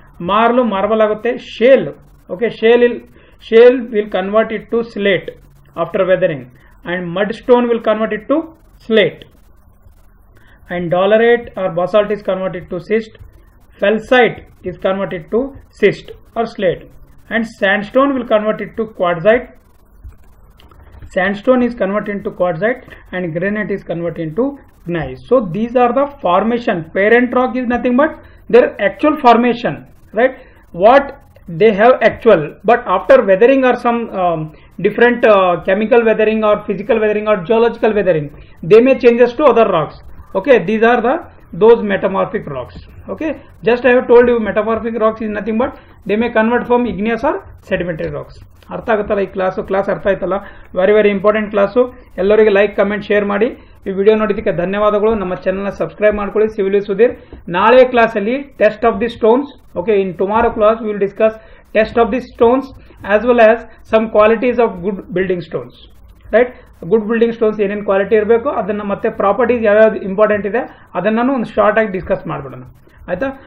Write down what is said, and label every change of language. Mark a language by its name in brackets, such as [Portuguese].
[Kannada] ಮಾರ್ಲು marble ಆಗುತ್ತೆ. [English] Shale, okay, shale will convert it to slate after weathering, and mudstone will convert it to slate, and dolerite or basalt is convert it to schist, felsite is convert it to schist or slate, and sandstone will convert it to quartzite, sandstone is convert in to quartzite, and granite is convert in to gneiss. So these are the formation. Parent rock is nothing but their actual formation, right, what they have actual, but after weathering or some different chemical weathering or physical weathering or geological weathering, they may changes to other rocks. Okay, these are the those metamorphic rocks. Okay, just I have told you metamorphic rocks is nothing but they may convert from igneous or sedimentary rocks. [Kannada] Artha agutala ee class artha aitala, [English] very very important class. [Kannada] Ellarige like comment share maadi. ಈ video ನೋಡಿದ್ದಕ್ಕೆ ಧನ್ಯವಾದಗಳು. ನಮ್ಮ ಚಾನಲ್ನ subscribe ಮಾಡ್ಕೊಳ್ಳಿ. [English] civil Sudhir, [Kannada] ನಾಳೆ ಕ್ಲಾಸಲ್ಲಿ [English] Test of the stones. Okay, in tomorrow class will discuss test of the stones as well as some qualities of good building stones, right. [Kannada] Good building stones ಏನೇನು quality ಇರಬೇಕು, ಅದನ್ನು ಮತ್ತೆ ಪ್ರಾಪರ್ಟೀಸ್ ಯಾವ್ಯಾವ್ದು important ಇದೆ ಅದನ್ನು ಒಂದು ಶಾರ್ಟ್ ಆಗಿ discuss ಮಾಡಿಬಿಡೋಣ ಆಯಿತಾ.